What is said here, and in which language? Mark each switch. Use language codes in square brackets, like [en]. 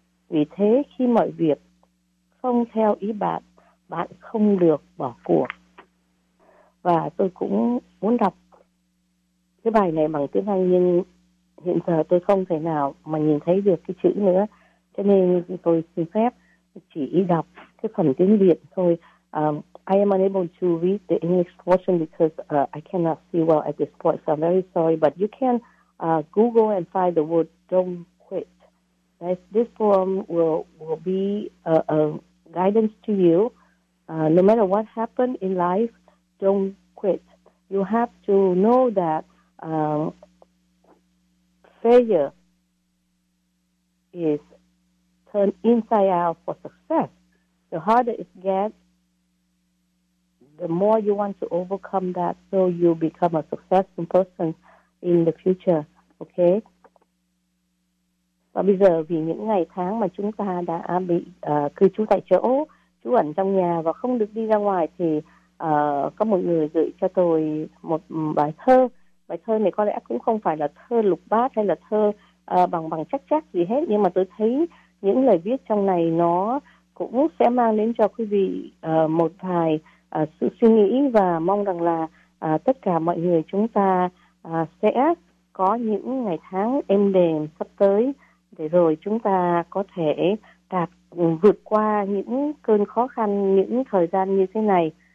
[vi] Vì thế khi mọi việc không theo ý bạn, bạn không được bỏ cuộc. Và tôi cũng muốn đọc cái bài này bằng tiếng Anh, nhưng hiện giờ tôi không thể nào mà nhìn thấy được cái chữ nữa. Cho nên tôi xin phép chỉ đọc cái phần tiếng Việt thôi. [en] I am unable to read the English portion because I cannot see well at this point, so I'm very sorry. But you can Google and find the word "don't quit." This poem will be a guidance to you. No matter what happened in life, don't quit. You have to know that failure is turned inside out for success. The harder it gets, the more you want to overcome that, so you become a successful person in the future, okay? [vi] Và bây giờ vì những ngày tháng mà chúng ta đã bị cư trú tại chỗ, trú ẩn trong nhà và không được đi ra ngoài, thì có một người gửi cho tôi một bài thơ. Bài thơ này có lẽ cũng không phải là thơ lục bát hay là thơ bằng chắc chắc gì hết, nhưng mà tôi thấy những lời viết trong này nó cũng sẽ mang đến cho quý vị một vài sự suy nghĩ, và mong rằng là tất cả mọi người chúng ta sẽ có những ngày tháng êm đềm sắp tới, để rồi chúng ta có thể đạt vượt qua những cơn khó khăn, những thời gian như thế này.